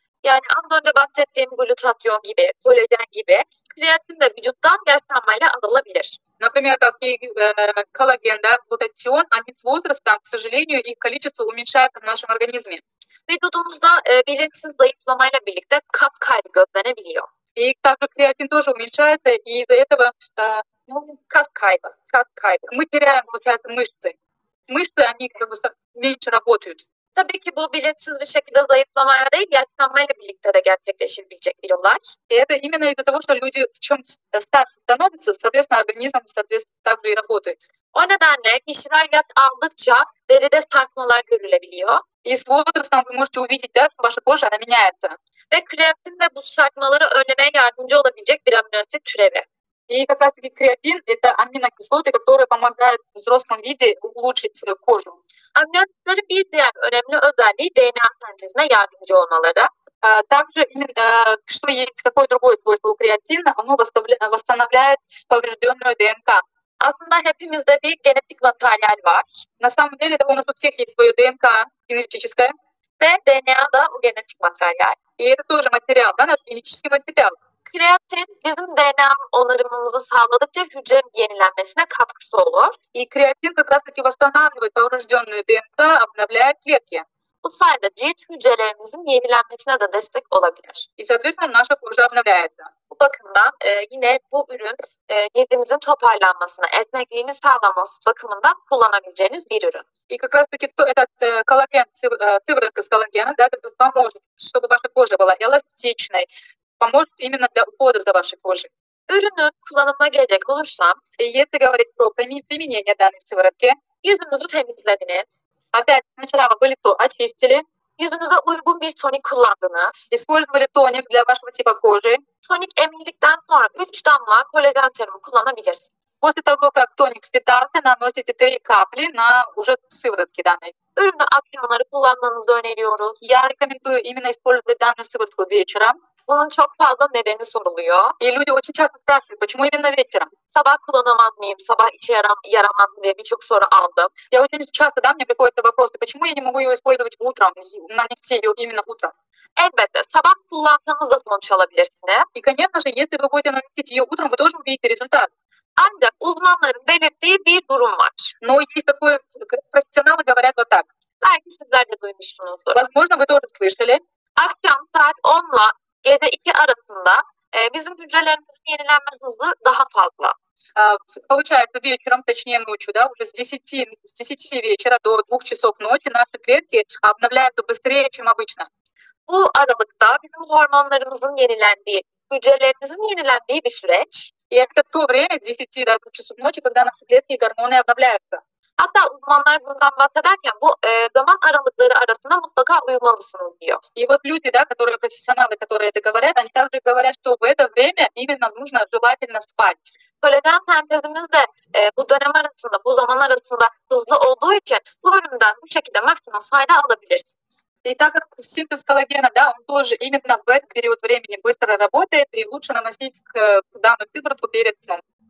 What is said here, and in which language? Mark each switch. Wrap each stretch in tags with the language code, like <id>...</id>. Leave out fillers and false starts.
<tr>Yani az önce bahsettiğim glutatyon gibi, kolajen gibi, kreatin de vücuttan yaşlanmayla alınabilir.</tr> <ru>Например, как и коллаген, да, глутатион, они с возрастом, к сожалению, их количество уменьшается в нашем организме.</ru> <tr>Vücudumuzda bilinçsiz zayıflamayla birlikte kap kaybı gözlenebiliyor.</tr> <ru>И также креатин тоже уменьшается, и из-за этого</ru> <tr>кап кайба.</tr> <ru>Мы теряем, получается, мышцы. Мышцы, они как бы меньше работают.</ru> <tr>Tabii bu bilinçsiz bir şekilde zayıflamaya değil, yaşlanmayla birlikte de gerçekleşebilecek bir olay.</tr> <ru>Это именно из-за того, что люди чем старше становятся, соответственно, организм соответственно также и работает.</ru> <tr>O nedenle kişiler yaş aldıkça deride sarkmalar görülebiliyor.</tr> <ru>И с возрастом вы можете увидеть, да, ваша кожа она меняется.</ru> <tr>Ve kreatin de bu sarkmaları önlemeye yardımcı olabilecek bir amino asit türevi.</tr> <ru>И как раз-таки креатин – это аминокислоты, которые помогают в взрослом виде улучшить кожу.</ru> <tr>Аминокислоты bir diğer önemli özelliği DNA sentezine yardımcı olmaları.</tr> <ru>Также, что есть, какое другое свойство у креатина, оно восстанавливает поврежденную ДНК.</ru> <tr>Aslında hepimizde bir genetik materyal var.</tr> <ru>На самом деле, у нас у всех есть свое ДНК генетическое.</ru> <tr>Ve DNA da o genetik materyal.</tr> <ru>И это тоже материал, да, генетический материал.</ru> <tr>Kreatin bizim DNA onarımımızı sağladıkça hücre yenilenmesine katkısı olur.</tr> <ru>И креатин как раз таки восстанавливает поврежденную ДНК, обновляет клетки.</ru> <tr>Bu sayede cilt hücrelerimizin yenilenmesine de destek olabilir.</tr> <ru>И соответственно наша кожа обновляется.</ru> <tr>Bu bakımdan yine bu ürün cildimizin toparlanmasına, esnekliğini sağlaması bakımından kullanabileceğiniz bir ürün.</tr> <ru>И как раз таки этот коллаген, сыворотка с коллагеном, да, который поможет, чтобы ваша кожа была эластичной, поможет именно для ухода за вашей кожей.</ru> <tr>Ürünü kullanıma gerek olursam,</tr> <ru>если говорить про применение данной сыворотки,</ru> <tr>yüzünüzü temizlediniz.</tr> <ru>Опять, сначала вы лицо очистили.</ru> <tr>Yüzünüze uygun bir tonik kullandınız.</tr> <ru>Использовали тоник для вашего типа кожи.</ru> <tr>Тоник emildikten sonra 3 damla kolagen serumu kullanabilirsiniz.</tr> <ru>После того, как тоник впитался, наносите 3 капли на уже сыворотки данной.</ru> <tr>Ürünü akşamları kullanmanızı öneriyoruz.</tr> <ru>Я рекомендую именно использовать данную сыворотку вечером.</ru> <tr>Bunun çok fazla nedeni soruluyor.</tr> <ru>И люди очень часто спрашивают, почему именно вечером?</ru> <tr>Sabah kullanamaz mıyım? Sabah içe yaramaz mı diye birçok soru aldım.</tr> <ru>Я очень часто, да, мне приходят вопросы, почему я не могу ее использовать утром, нанести ее именно утром?</ru> <tr>Elbette, sabah kullandığınızda sonuç alabilirsiniz.</tr> <ru>И, конечно же, если вы будете наносить ее утром, вы тоже увидите результат.</ru> <tr>Ancak uzmanların belirttiği bir durum var.</tr> <ru>Но есть такое, профессионалы говорят вот так.</ru> <tr>Belki sizler de duymuşsunuzdur.</tr> <ru>Возможно, вы тоже слышали.</ru> <tr>Akşam saat 10'la gece 2 arasında bizim hücrelerimizin yenilenme hızı daha fazla.</tr> <ru>Получается вечером, точнее ночью, да, уже с 10 вечера до 2 часов ночи наши клетки обновляются быстрее, чем обычно.</ru> <tr>Bu aralıkta bizim hormonlarımızın yenilendiği, hücrelerimizin yenilendiği bir süreç.</tr> <ru>И это то время с 10 до 2 часов ночи, когда наши клетки и гормоны обновляются.</ru> <tr>Hatta uzmanlar bundan bahsederken bu zaman aralıkları arasında mutlaka uyumalısınız diyor.</tr> <ru>И вот люди, да, которые профессионалы, которые это говорят, они также говорят, что в это время именно нужно желательно спать.</ru> <tr>Tolerant bu dönem arasında, bu zaman arasında hızlı olduğu için bu bölümden bu şekilde maksimum fayda alabilirsiniz.</tr> <ru>И так как синтез коллагена, да, он тоже именно в этот период времени быстро работает, и лучше наносить данную сыворотку перед сном.</ru>